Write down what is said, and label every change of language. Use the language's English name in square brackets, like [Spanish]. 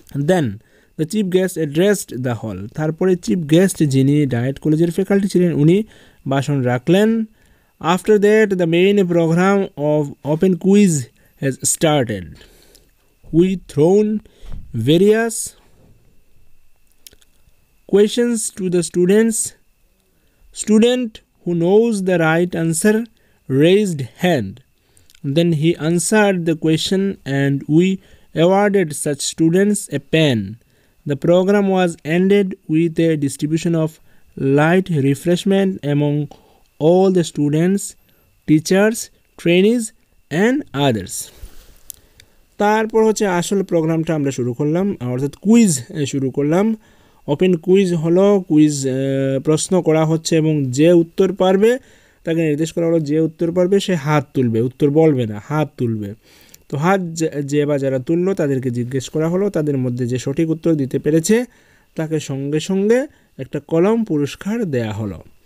[English] then the chief guest addressed the hall, [Bangla] তারপরে chief guest যিনি diet কলেজের faculty ছিলেন উনি ভাষণ রাখলেন। [English] After that the main program of open quiz has started, we thrown various questions to the students. Student who knows the right answer raised hand, then he answered the question and we awarded such students a pen. The program was ended with a distribution of light refreshment among all the students, teachers, trainees and others. [Bangla] তারপর হচ্ছে আসল প্রোগ্রামটা আমরা শুরু করলাম, অর্থাৎ quiz শুরু করলাম। ওপেন কুইজ হলো কুইজ প্রশ্ন করা হচ্ছে এবং যে উত্তর পারবে তাকে নির্দেশ করা হলো, যে উত্তর পারবে সে হাত তুলবে, উত্তর বলবে না, হাত তুলবে। তো হাত যে বা যারা তুললো তাদেরকে জিজ্ঞেস করা হলো, তাদের মধ্যে যে সঠিক উত্তর দিতে পেরেছে তাকে সঙ্গে সঙ্গে একটা কলম পুরস্কার দেয়া হলো।